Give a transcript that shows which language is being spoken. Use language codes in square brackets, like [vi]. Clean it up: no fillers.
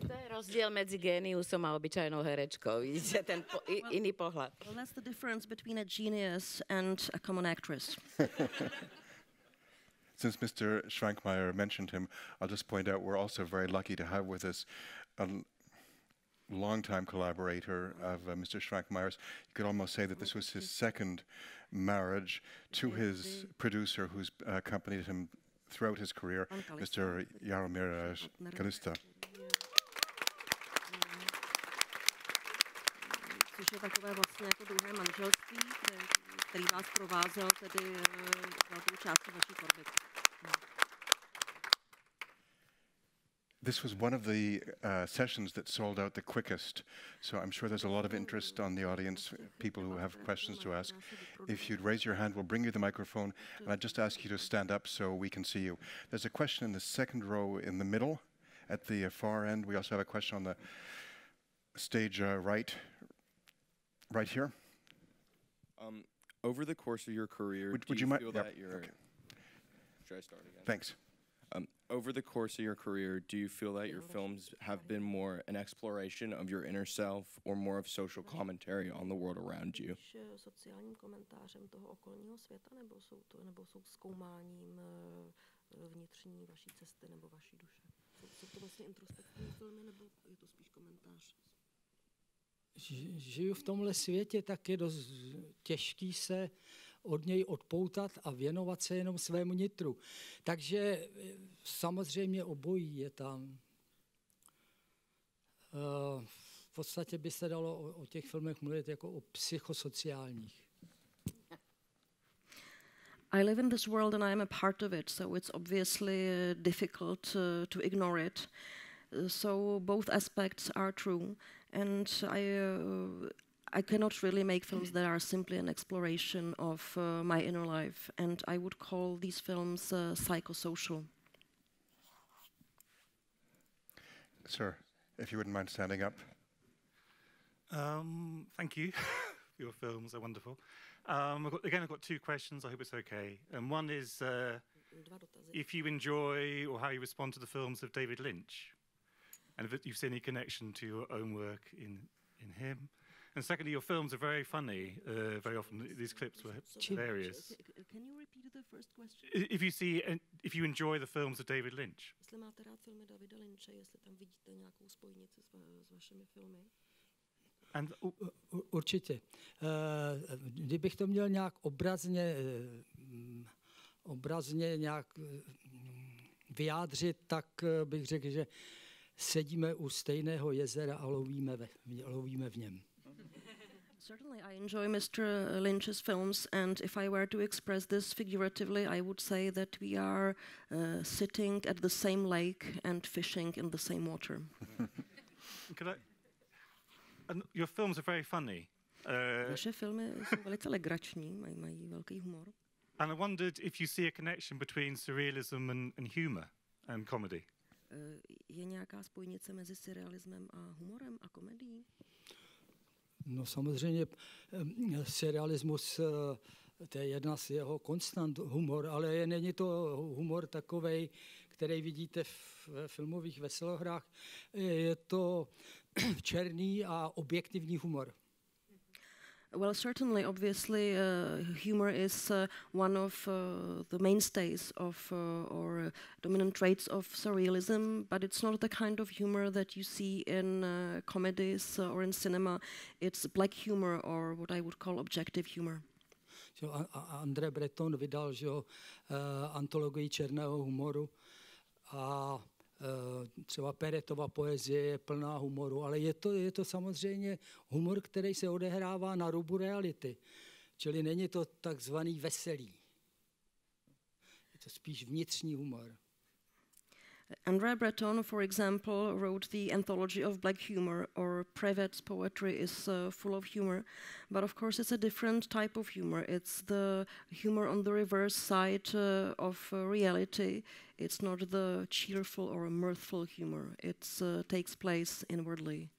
[sk] Rozdiel medzi géniusom a obyčajnou herečkou, vidíte, ten iný pohľad. [en] Well, that's the difference between a genius and a common actress. Since Mr. Švankmajer mentioned him, I'll just point out we're also very lucky to have with us a longtime collaborator of Mr. Švankmajer's. You could almost say that this was his second marriage to his producer who's accompanied him throughout his career, Mr. Jaromír Kalista. [cs] Je takové vlastně jako druhé manželství, který vás provázel tedy velkou část vaší tvorby. [en] This was one of the sessions that sold out the quickest, so I'm sure there's a lot of interest on the audience, people who have questions to ask. If you'd raise your hand, we'll bring you the microphone, and I'd just ask you to stand up so we can see you. There's a question in the second row in the middle, at the far end. We also have a question on the stage right here. Over the course of your career, over the course of your career, do you feel that your films have been more an exploration of your inner self or more of social commentary on the world around you? [cs] Sociálním komentářem toho okolního světa nebo jsou zkoumáním vnitřní vaší cesty nebo vaší duše? Jsou to vlastně introspektivní filmy nebo je to spíš komentář? Žiju v tomhle světě, tak je dost těžký se od něj odpoutat a věnovat se jenom svému nitru. Takže samozřejmě obojí je tam. V podstatě by se dalo o těch filmech mluvit jako o psychosociálních. [en] I live in this world and I am a part of it, so it's obviously difficult to ignore it. So both aspects are true. And I cannot really make films that are simply an exploration of my inner life. And I would call these films psychosocial. Sir, if you wouldn't mind standing up. Thank you. Your films are wonderful. I've got two questions. I hope it's okay. And one is if you enjoy or how you respond to the films of David Lynch. And if you've seen any connection to your own work in him. And secondly, your films are very funny. Very often these clips were hilarious. Can you repeat the first question? If you enjoy the films of David Lynch. [cs] Jestli máte rád filmy Davida Lynche, jestli tam vidíte nějakou spojnici s vašimi filmy. And určitě. Kdybych to měl nějak obrazně nějak vyjádřit, tak bych řekl, že sedíme u stejného jezera a lovíme v něm. [en] Certainly I enjoy Mr. Lynch's films and if I were to express this figuratively I would say that we are sitting at the same lake and fishing in the same water. And your films are very funny. [cs] Naše filmy jsou velice legrační, mají velký humor. [en] And I wondered if you see a connection between surrealism and humor and comedy. [cs] Je nějaká spojnice mezi surrealismem a humorem a komedií? No samozřejmě surrealismus, to je jedna z jeho konstant, humor, ale není to humor takovej, který vidíte ve filmových veselohrách, je to černý a objektivní humor. [en] Well, certainly, obviously, humor is one of the mainstays of or dominant traits of surrealism, but it's not the kind of humor that you see in comedies or in cinema. It's black humor, or what I would call objective humor. [cs] Jo, André Breton vydal, že jo, antologii černého humoru a třeba Peretova poezie je plná humoru, ale je to samozřejmě humor, který se odehrává na rubu reality. Čili není to takzvaný veselý. Je to spíš vnitřní humor. [en] André Breton, for example, wrote the anthology of black humor, or Prevet's poetry is full of humor. But of course, it's a different type of humor. It's the humor on the reverse side of reality. It's not the cheerful or mirthful humor. It takes place inwardly.